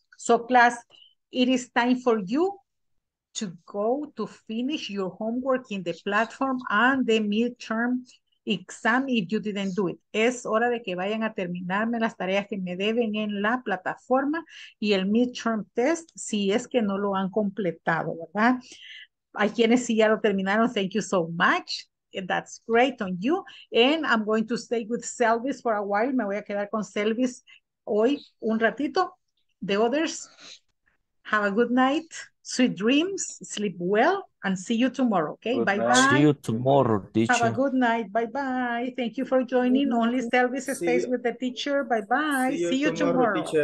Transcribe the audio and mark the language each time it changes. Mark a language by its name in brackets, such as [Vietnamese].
[English] So class, it is time for you to go to finish your homework in the platform and the midterm exam if you didn't do it. [Spanish] Es hora de que vayan a terminarme las tareas que me deben en la plataforma y el midterm test si es que no lo han completado, ¿verdad? Hay quienes sí ya lo terminaron, [English] thank you so much. That's great on you. And I'm going to stay with Selvis for a while. [Spanish] Me voy a quedar con Selvis hoy un ratito. [English] The others, have a good night. Sweet dreams. Sleep well. And see you tomorrow. Okay? Bye-bye. See you tomorrow, teacher. Have a good night. Bye-bye. Thank you for joining. Only Selvis stays with the teacher. Bye-bye. See you tomorrow.